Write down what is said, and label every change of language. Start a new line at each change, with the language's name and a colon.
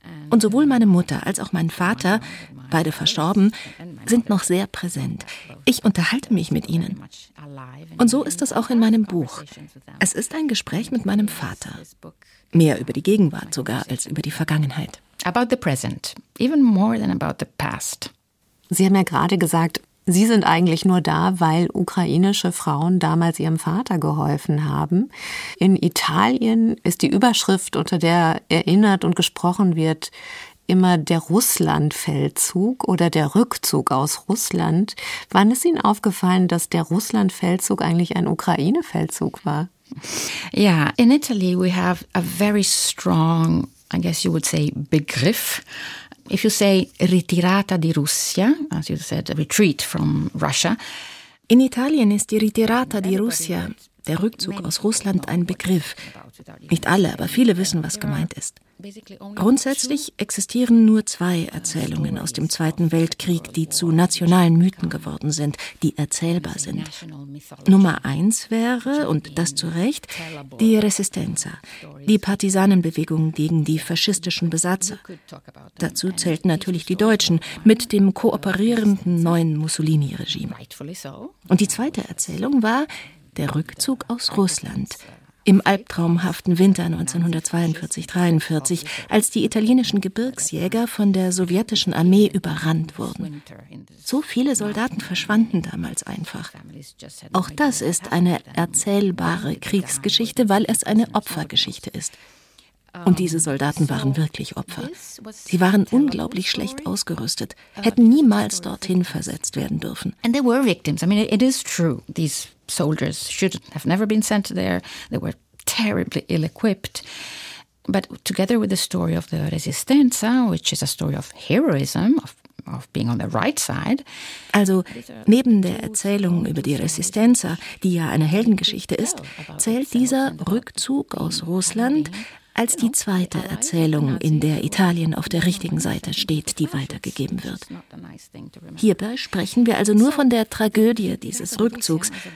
German: Und sowohl meine Mutter als auch mein Vater, beide verstorben, sind noch sehr präsent. Ich unterhalte mich mit ihnen. Und so ist das auch in meinem Buch. Es ist ein Gespräch mit meinem Vater. Mehr über die Gegenwart sogar als über die Vergangenheit.
English: About the present. Even more than about the past.
German: Sie haben ja gerade gesagt, Sie sind eigentlich nur da, weil ukrainische Frauen damals ihrem Vater geholfen haben. In Italien ist die Überschrift, unter der erinnert und gesprochen wird, immer der Russlandfeldzug oder der Rückzug aus Russland. Wann ist Ihnen aufgefallen, dass der Russlandfeldzug eigentlich ein Ukraine-Feldzug war?
English: Ja, in Italy we have a very strong, I guess you would say, Begriff. If you say
Italian: ritirata di Russia,
English: as you said, a retreat from Russia.
German: In Italien ist die
Italian: ritirata di Russia,
German: der Rückzug aus Russland, ein Begriff. Nicht alle, aber viele wissen, was gemeint ist. Grundsätzlich existieren nur zwei Erzählungen aus dem Zweiten Weltkrieg, die zu nationalen Mythen geworden sind, die erzählbar sind. Nummer eins wäre, und das zu Recht, die Resistenza, die Partisanenbewegung gegen die faschistischen Besatzer. Dazu zählten natürlich die Deutschen mit dem kooperierenden neuen Mussolini-Regime. Und die zweite Erzählung war der Rückzug aus Russland. Im albtraumhaften Winter 1942-43, als die italienischen Gebirgsjäger von der sowjetischen Armee überrannt wurden. So viele Soldaten verschwanden damals einfach. Auch das ist eine erzählbare Kriegsgeschichte, weil es eine Opfergeschichte ist. Und diese Soldaten waren wirklich Opfer. Sie waren unglaublich schlecht ausgerüstet, hätten niemals dorthin versetzt werden dürfen.
English: And they were victims. I mean, it is true, these soldiers should have never been sent there. They were terribly ill-equipped. But together with the story of the Resistenza, which is a story of heroism, of being on the right side.
German: Also neben der Erzählung über die Resistenza, die ja eine Heldengeschichte ist, zählt dieser Rückzug aus Russland als die zweite Erzählung, in der Italien auf der richtigen Seite steht, die weitergegeben wird. Hierbei sprechen wir also nur von der Tragödie dieses Rückzugs.